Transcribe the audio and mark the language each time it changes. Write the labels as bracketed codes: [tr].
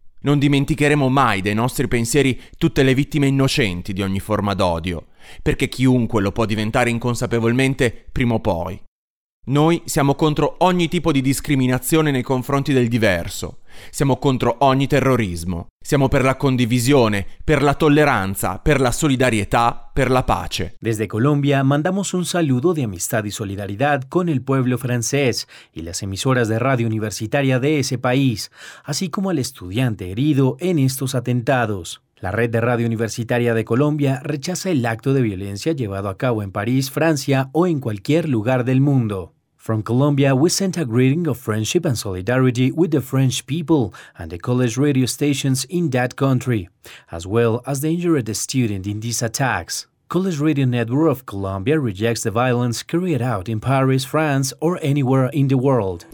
[it] Non dimenticheremo mai dei nostri pensieri tutte le vittime innocenti di ogni forma d'odio, perché chiunque lo può diventare inconsapevolmente prima o poi. Noi siamo contro ogni tipo di discriminazione nei confronti del diverso. Siamo contro ogni terrorismo. Siamo per la condivisione, per la tolleranza, per la solidarietà, per la pace. [es] Desde Colombia mandamos un saludo de amistad y solidaridad con el pueblo francés y las emisoras de radio universitaria de ese país, así como al estudiante herido en estos atentados. La Red de Radio Universitaria de Colombia rechaza el acto de violencia llevado a cabo en París, Francia o en cualquier lugar del mundo. [en] From Colombia, we send a greeting of friendship and solidarity with the French people and the college radio stations in that country, as well as the injured student in these attacks. College Radio Network of Colombia rejects the violence carried out in Paris, France, or anywhere in the world.